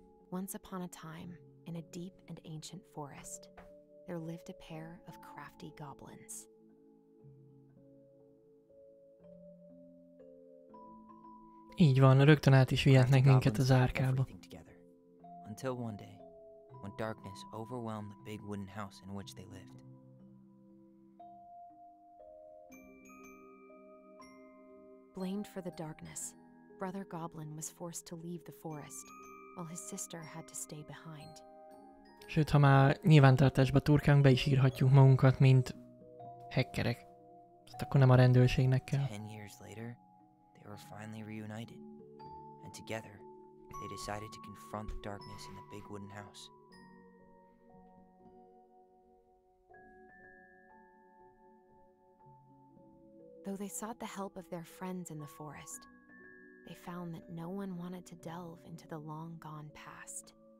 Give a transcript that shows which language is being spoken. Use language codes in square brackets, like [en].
[en] Once upon a time, in a deep and ancient forest, there lived a pair of crafty goblins. [hu] Így van, rögtön át is vihetnek minket az árkába. [en] Until one day, when darkness overwhelmed the big wooden house in which they lived. Blamed for the darkness, Brother Goblin was forced to leave the forest, while his sister had to stay behind. [hu] Sőt, ha már nyilvántartásba turkálunk, be is írhatjuk magunkat, mint hackerek. Tehát akkor nem a rendőrségnek kell. [en] 10 years later, they were finally reunited. And together, they decided to confront the darkness in the big wooden house. Though they sought the help of their friends in the forest, they found that no one wanted to delve into the long-gone past.